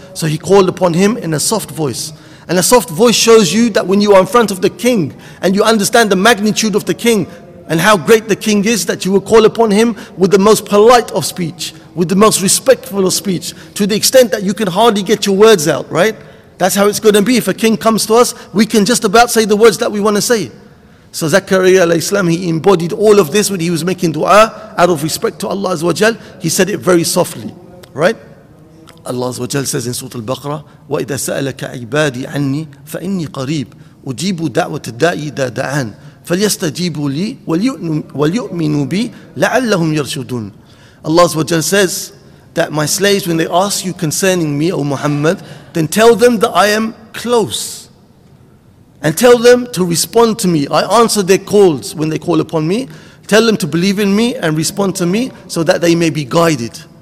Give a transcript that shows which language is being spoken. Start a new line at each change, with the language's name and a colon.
English: So he called upon him in a soft voice. And a soft voice shows you that when you are in front of the king and you understand the magnitude of the king and how great the king is, that you will call upon him with the most polite of speech, with the most respectful of speech, to the extent that you can hardly get your words out, right? That's how it's going to be. If a king comes to us, we can just about say the words that we want to say. So Zakariya alayhi salam, he embodied all of this when he was making dua out of respect to Allah azza wa jal. He said it very softly, right? Allah azza wa jal says in Surah Al-Baqarah,
Arabic: وَإِذَا سَأَلَكَ عِبَادِي عَنِّي فَإِنِّي قَرِيبٌ أُجِيبُ دَعْوَةَ الدَّاعِي إِذَا دَعَانِ فَلْيَسْتَجِيبُوا لِي وَلْيُؤْمِنُوا بِي لَعَلَّهُمْ يَرْشُدُونَ.
English: Allah azza wa jal says that my slaves, when they ask you concerning me, O Muhammad, then tell them that I am close. And tell them to respond to me. I answer their calls when they call upon me. Tell them to believe in me and respond to me so that they may be guided.